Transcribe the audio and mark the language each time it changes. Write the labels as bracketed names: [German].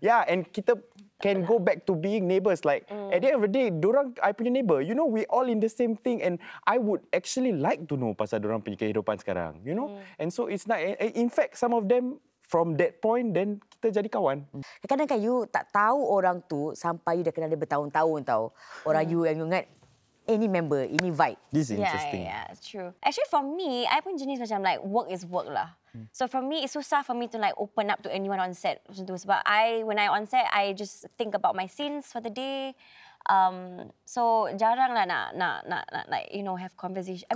[English] Yeah, and kita can go back to being neighbors. Like, at the end of the day, [Malay] diorang, I punya [English] neighbor. You know, we all in the same thing. And I would actually like to know [Malay] pasal diorang punya kehidupan sekarang. [English] You know? And so, it's not... In fact, some of them, from that point, then [Malay] kita jadi kawan. Kadang-kadang you tak tahu orang tu sampai you dah kenal dia bertahun-tahun tau. Orang you yang you ingat, ini member, ini vibe. [English] This is interesting. Yeah, true. Actually, for me, [Malay] I pun jenis macam [English] like work is work lah. So for me, it's susah for me to like open up to anyone on set [Malay] macam tu. [English] Sebab when I on set, I just think about my scenes for the day. So [Malay] jarang lah nak [English] like, you know, have conversation.